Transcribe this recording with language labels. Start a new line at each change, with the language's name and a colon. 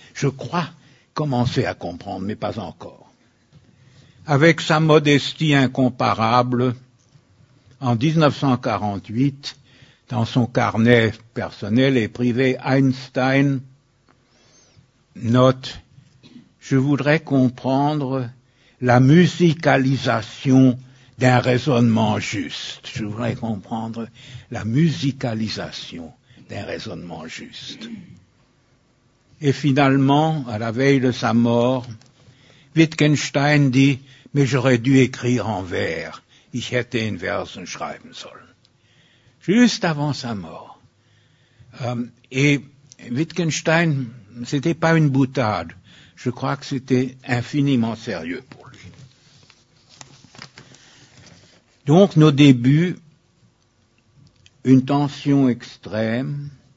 French: Je crois commencer à comprendre, mais pas encore. Avec sa modestie incomparable, en 1948, dans son carnet personnel et privé, Einstein note « Je voudrais comprendre la musicalisation d'un raisonnement juste. » Je voudrais comprendre la musicalisation d'un raisonnement juste. Et finalement, à la veille de sa mort, Wittgenstein dit « Mais j'aurais dû écrire en vers.
German: Ich hätte in Versen schreiben sollen. »
French: Juste avant sa mort. Et Wittgenstein, c'était pas une boutade. Je crois que c'était infiniment sérieux pour lui. Donc, nos débuts, une tension extrême.